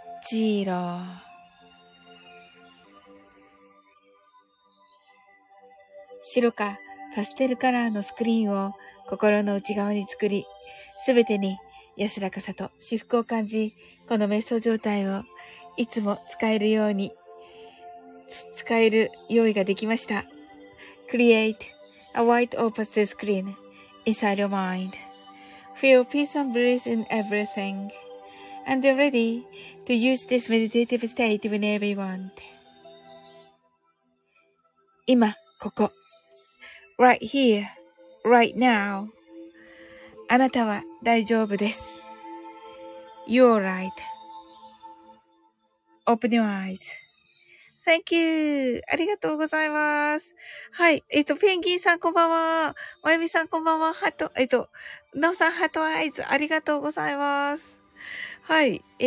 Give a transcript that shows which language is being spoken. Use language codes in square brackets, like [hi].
[ja] 6 5 4 3 2 1 0 白かパステルカラーのスクリーンを心の内側に作り、すべてに安らかさと至福を感じ、この瞑想状態をいつも使えるように、使える用意ができました。 [en] Create a white or pastel screen inside your mind. Feel peace and bliss in everything. And you're ready to use this meditative state whenever you want. [ja] 今、ここ。 [en] Right here, right now. [ja] あなたは大丈夫です。 [en] You're right.Open your eyes.Thank you. [ja] ありがとうございます。はい。ペンギンさんこんばんは。まゆみさんこんばんは。ハト、ナオさんハトアイズ。ありがとうございます。はい。